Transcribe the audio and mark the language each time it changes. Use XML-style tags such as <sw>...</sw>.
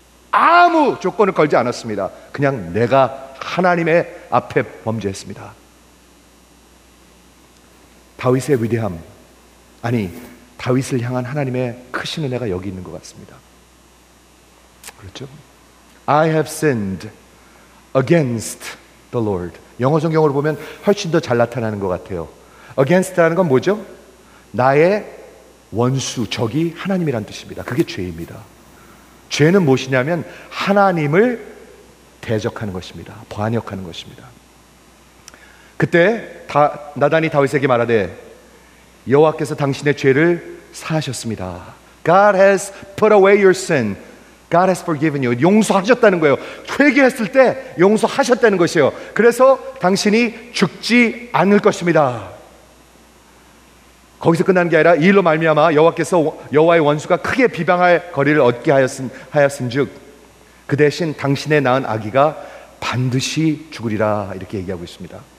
<ko>아무 조건을 걸지 않았습니다. 그냥 내가 하나님의 앞에 범죄했습니다. 다윗의 위대함, 아니 다윗을 향한 하나님의 크신 은혜가 여기 있는 것 같습니다. 그렇죠?</ko> <en>I have sinned against the Lord.</en> <ko>영어 성경으로 보면 훨씬 더 잘 나타나는 것 같아요. Against라는 건 뭐죠? 나의 원수, 적이 하나님이란 뜻입니다. 그게 죄입니다. 죄는 무엇이냐면 하나님을 대적하는 것입니다. 반역하는 것입니다. 그때 나단이 다윗에게 말하되 여호와께서 당신의 죄를 사하셨습니다.</ko> <en>God has put away your sin. God has forgiven you.</en> <ko>용서하셨다는 거예요. 회개했을 때 용서하셨다는 것이에요. 그래서 당신이 죽지 않을 것입니다. 거기서 끝나는 게 아니라 이 일로 말미암아 여호와께서 여호와의 원수가 크게 비방할 거리를 얻게 하였은즉 그 대신 당신의 낳은 아기가 반드시 죽으리라 이렇게 얘기하고 있습니다.</ko>